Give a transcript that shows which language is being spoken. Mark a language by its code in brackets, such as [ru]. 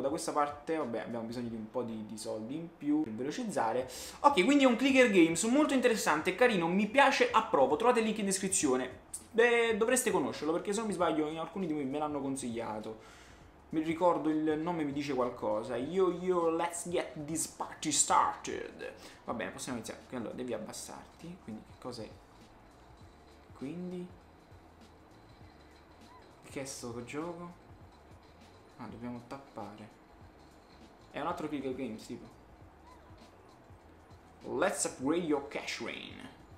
[it] Da questa parte, vabbè, abbiamo bisogno di un po' di soldi in più per velocizzare. Ok, quindi è un clicker games molto interessante, carino, mi piace, approvo, trovate il link in descrizione. Beh, dovreste conoscerlo, perché se non mi sbaglio in alcuni di voi me l'hanno consigliato. Mi ricordo, il nome mi dice qualcosa. [en] Yo, let's get this party started. [it] Va bene, possiamo iniziare. Quindi, allora, devi abbassarti. Quindi, che cos'è? Quindi... che è sto gioco? Ah, dobbiamo tappare. È un altro clicker games, tipo. [en] Let's upgrade your cash rain.